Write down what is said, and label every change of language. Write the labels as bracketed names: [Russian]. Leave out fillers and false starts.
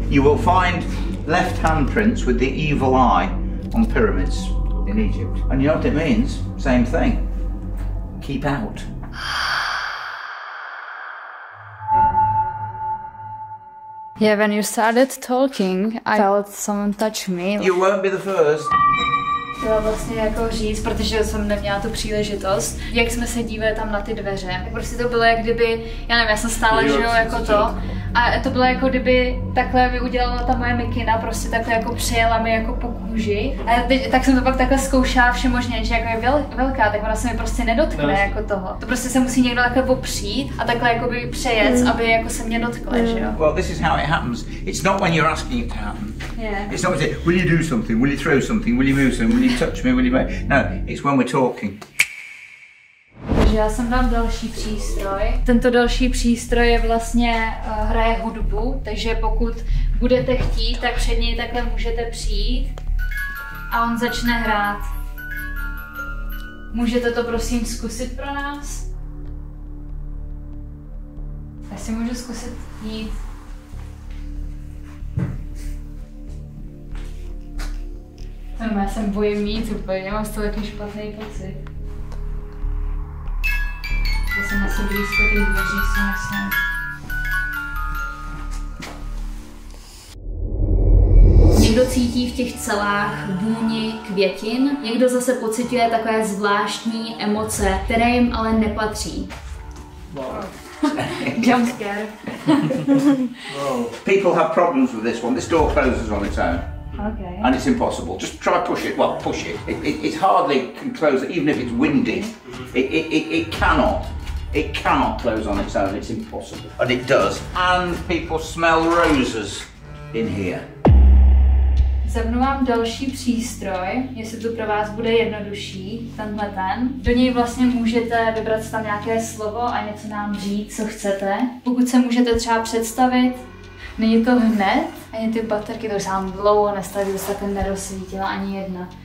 [English] You will find left-hand prints with the evil eye on pyramids in Egypt. And you know what it means? Same thing. Keep out. Yeah, when you started talking, I felt someone touch me. You won't be the first. [Czech] Chtěla vlastně jako říct, protože jsem neměla tu příležitost, jak jsme se dívali tam na ty dveře. Prostě to bylo jak kdyby, já nevím, já jsem stála, že jo, jako to. A to bylo jako kdyby takhle by udělala ta moje mikina, prostě takhle jako přejela mi jako po kůži. A teď, tak jsem to pak takhle zkoušela všemožně, že jako je velká, tak ona se mi prostě nedotkne jako toho. To prostě se musí někdo takhle popřít a takhle jako by přejet, aby jako se mě dotkla, že jo. [English] Well, this is how it happens. It's not when you're asking it to happen. Yeah. It's not when you say, will you do something? Will you throw something? Will you move something? Will you touch me? Will you make? No, it's when we're talking. [Czech] Takže já jsem dám další přístroj. Tento další přístroj je vlastně hraje hudbu, takže pokud budete chtít, tak před něj takhle můžete přijít a on začne hrát. Můžete to prosím zkusit pro nás? Já si můžu zkusit jít. Já se bojím mít úplně, já mám z toho taky špatný pocit. Já jsem asi blízko těch dveří, jsem jasná. Někdo cítí v těch celách vůni květin, někdo zase pociťuje takové zvláštní emoce, které jim ale nepatří. [English] Wow. Jump scare. People have problems with this one. This door closes on its own. Okay. And it's impossible. Just try push it. Well, push it. It hardly can close, even if it's windy. It cannot close on its own. It's impossible. And it does. And people smell roses in here. [Czech] Zapnu vám další přístroj, jestli to pro vás bude jednodušší, tenhle ten. Do něj vlastně můžete vybrat tam nějaké slovo a něco nám říct, co chcete. Pokud se můžete třeba představit, není to hned, ani ty baterky, to už vám dlouho nestaví, to se tak nerozsvítila ani jedna.